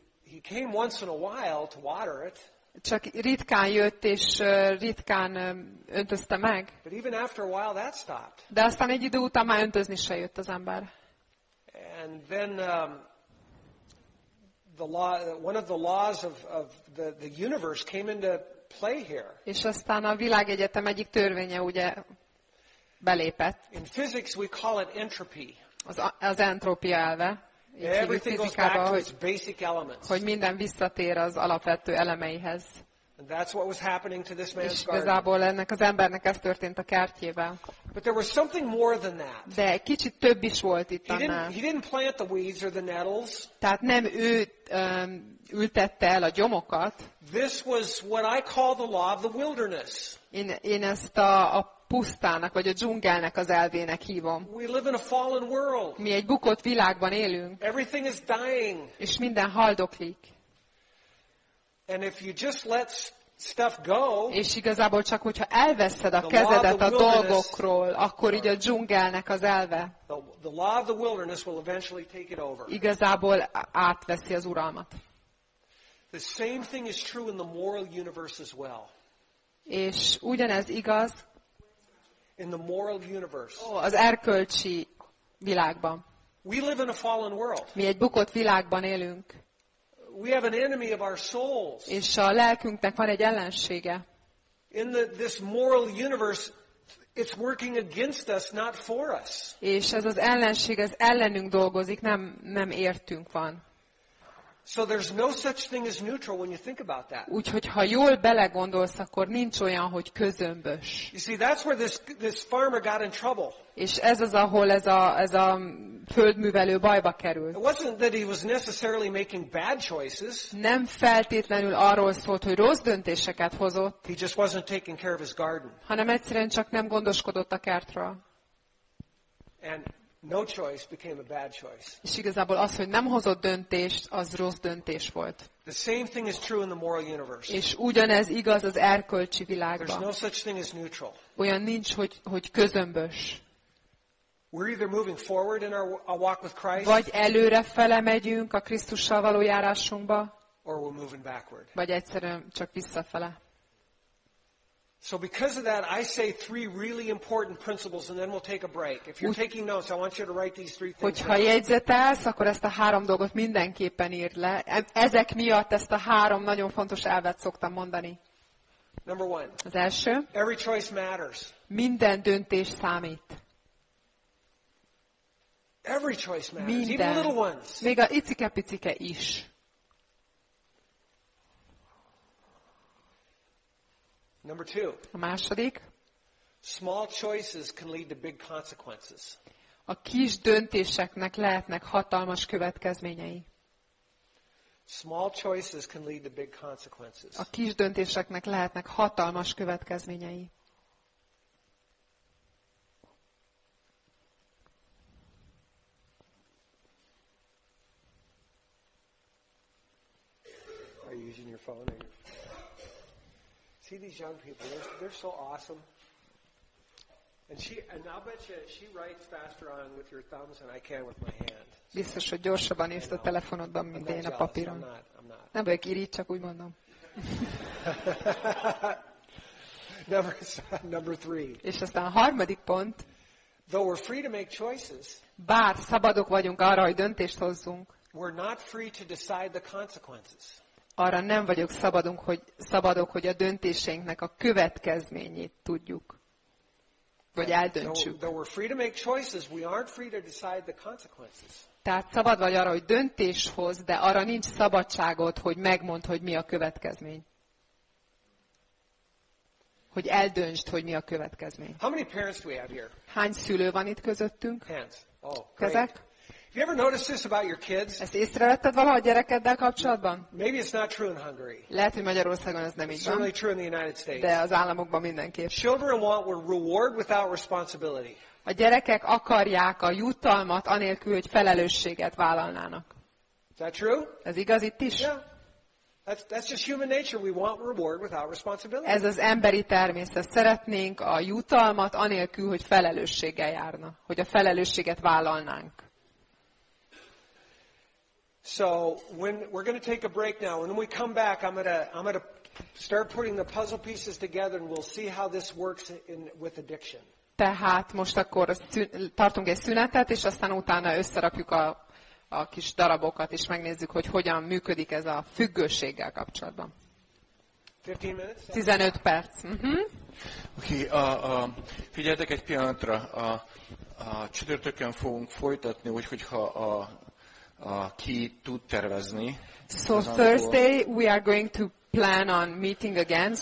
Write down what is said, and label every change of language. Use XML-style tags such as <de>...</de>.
<en>He came once in a while to water it.</en> <hu>Csak ritkán jött és ritkán öntözte meg.</hu> <en>But even after a while that stopped.</en> <hu>De aztán egy idő után már öntözni se jött az ember.</hu> <en>And then the law, one of the laws of the universe came into play here.</en> <hu>És aztán a világegyetem egyik törvénye ugye belépett.</hu> <en>In physics we call it entropy.</en> <hu>Az entrópia elve.</hu> <en>Everything goes back to its basic elements.</en> <hu>Hogy minden visszatér az alapvető elemeihez.</hu> <en>And that's what was happening to this man's garden.</en> <hu>És igazából ennek az embernek ez történt a kertjével.</hu> <en>But there was something more than that.</en> <hu>De egy kicsit több is volt itt annál.</hu> <en>He didn't plant the weeds or the nettles.</en> <hu>Tehát nem ő ültette el a gyomokat.</hu> <en>This was what I call the law of the wilderness.</en> <hu>Én ezt a pusztának, vagy a dzsungelnek az elvének hívom.</hu> <en>We live in a fallen world.</en> <hu>Mi egy bukott világban élünk.</hu> <en>Everything is dying.</en> <hu>És minden haldoklik.</hu> <en>And if you just let stuff go,</en> <hu>és igazából csak, hogyha elveszed a kezedet a dolgokról, akkor így a dzsungelnek az elve</hu> <en>the law of the wilderness will eventually take it over.</en> <hu>Igazából átveszi az uralmat.</hu> <en>The same thing is true in the moral universe as well.</en> <hu>És ugyanez igaz</hu> <en>in the moral universe.</en> <hu>Oh, az erkölcsi világban.</hu> <en>We live in a fallen world.</en> <hu>Mi egy bukott világban élünk.</hu> <en>We have an enemy of our souls.</en> <hu>És a lelkünknek van egy ellensége.</hu> <en>In this moral universe, it's working against us, not for us.</en> <hu>És ez az ellenség, ez ellenünk dolgozik, nem értünk van.</hu> <en>So there's no such thing as neutral when you think about that.</en> <hu>Úgyhogy ha jól belegondolsz, akkor nincs olyan, hogy közömbös.</hu> <en>You see, that's where this farmer got in trouble.</en> <hu>És ez az, ahol ez a földművelő bajba került.</hu> <en>It wasn't that he was necessarily making bad choices.</en> <hu>Nem feltétlenül arról szólt, hogy rossz döntéseket hozott.</hu> <en>He just wasn't taking care of his garden.</en> <hu>Hanem egyszerűen csak nem gondoskodott a kertről.</hu> <en>And no choice became a bad choice.</en> <hu>És igazából az, hogy nem hozott döntést, az rossz döntés volt.</hu> <en>The same thing is true in the moral universe.</en> <hu>És ugyanez igaz az erkölcsi világban.</hu> <en>There's no such thing as neutral.</en> <hu>Olyan nincs, hogy közömbös.</hu> <en>We're either moving forward in our walk with Christ.</en> <hu>Vagy előrefele megyünk a Krisztussal való járásunkba.</hu> <en>Or we're moving backward.</en> <hu>Vagy egyszerűen csak visszafele.</hu> <en>So because of that, I say three really important principles, and then we'll take a break. If you're taking notes, I want you to write these three things.</en> <hu>Hogyha jegyzetelsz, akkor ezt a három dolgot mindenképpen írd le. Ezek miatt ezt a három nagyon fontos elvet szoktam mondani.</hu> <en>Number one.</en> <hu>Az első.</hu> <en>Every choice matters.</en> <hu>Minden döntés számít.</hu> <en>Every choice matters. Even little ones.</en> <hu>Még a icike-picike is.</hu> <en>Number two.</en> <hu>A második.</hu> <en>Small choices can lead to big consequences.</en> <hu>A kis döntéseknek lehetnek hatalmas következményei.</hu> <en>Small choices can lead to big consequences.</en> <hu>A kis döntéseknek lehetnek hatalmas következményei.</hu> <en>using your phone. See these young people? They're so awesome. And I'll bet you she writes faster on with your thumbs than I can with my hand.</en> <hu>Biztos, hogy gyorsabban írsz a telefonodban, mint én a papíron. Nem vagyok irigy, csak úgy mondom.</hu> <en>Number three.</en> <hu>És aztán a harmadik pont.</hu> <en>Though we're free to make choices.</en> <hu>Bár szabadok vagyunk arra, hogy döntést hozzunk.</hu> <en>We're not free to decide the consequences.</en> <hu>Arra nem vagyok szabadok, hogy a döntéseinknek a következményét tudjuk. Vagy eldöntsük.</hu> <en>Though we're free to make choices, we aren't free to decide the consequences.</en> <hu>Tehát szabad vagy arra, hogy döntés hoz, de arra nincs szabadságot, hogy megmondd, hogy mi a következmény. Hogy eldöntsd, hogy mi a következmény.</hu> <en>How many parents do we have here?</en> <hu>Hány szülő van itt közöttünk?</hu> <en>Hands. Oh,</en> <hu>kezek.</hu> <en>Have you ever noticed this about your kids?</en> <hu>Ezt észrevetted valaha a gyerekeddel kapcsolatban?</hu> <en>Maybe it's not true in Hungary.</en> <hu>Lehet, hogy Magyarországon ez nem így van.</hu> <en>Certainly true in the United States.</en> <hu>De az államokban mindenképp.</hu> <en>Children want reward without responsibility.</en> <hu>A gyerekek akarják a jutalmat anélkül, hogy felelősséget vállalnának.</hu> <en>Is that true?</en> <hu>Ez igaz itt is?</hu> <en>Yeah. That's just human nature. We want reward without responsibility.</en> <hu>Ez az emberi természet. Szeretnénk a jutalmat anélkül, hogy felelősséggel járna, hogy a felelősséget vállalnánk.</hu> <en>So when we're going to take a break now, and when we come back, I'm going to start putting the puzzle pieces together, and we'll see how this works with addiction.</en> <hu>Tehát most akkor tartunk egy szünetet, és aztán utána összerakjuk a kis darabokat, és megnézzük, hogy hogyan működik ez a függőséggel kapcsolatban. 15 perc. Uh-huh. Oké, figyeljetek egy pillanatra. A csütörtökön fogunk folytatni, úgyhogyha a ki tud tervezni.</hu> <en>So Thursday we are going to plan on meeting again.</en>